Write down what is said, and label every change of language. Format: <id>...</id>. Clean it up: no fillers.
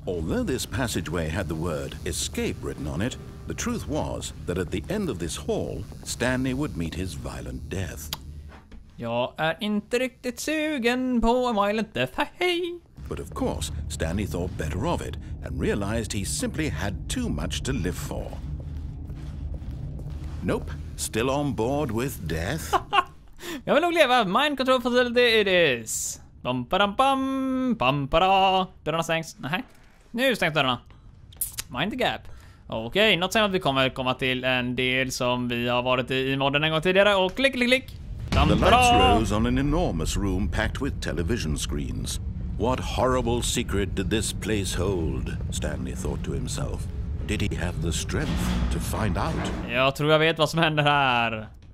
<en>Although this passageway had the word escape written on it, the truth was that at the end of this hall, Stanley would meet his violent death.</en> <sv>Jag är inte riktigt sugen på en</sv> <en>violent death,</en> <sv>hej!</sv> <en>But of course, Stanley thought better of it and realized he simply had too much to live for. Nope, still on board with death.</en> <sv>Jag vill nog leva,</sv> <en>mind control facility it is.</en> <sv>Bum padam pam, pam pada. Dörrarna stängs, nähä. Nu stängs dörrarna.</sv> <en>Mind the gap.</en> <sv>Okej, något säger att vi kommer komma till en del som vi har varit i modden en gång tidigare. Och klick, klick, klick.</sv> <en>Dum, the lights rose on an enormous room packed with television screens. What horrible secret did this place hold? Stanley thought to himself. Did he have the strength to find out?</en> <sv>Jag tror jag vet vad som händer här.</sv>